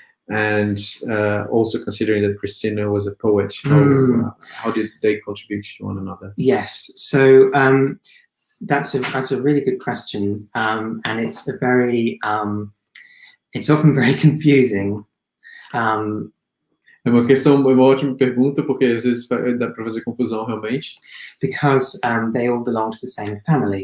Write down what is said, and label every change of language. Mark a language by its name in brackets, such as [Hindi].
[English] And also considering that Christina was a poet, how did they contribute to one another? Yes, so that's a really good question, and it's a very it's often very confusing. [Portuguese] É uma questão, é uma ótima pergunta, porque às vezes dá para fazer confusão realmente. [English] Because they all belong to the same family.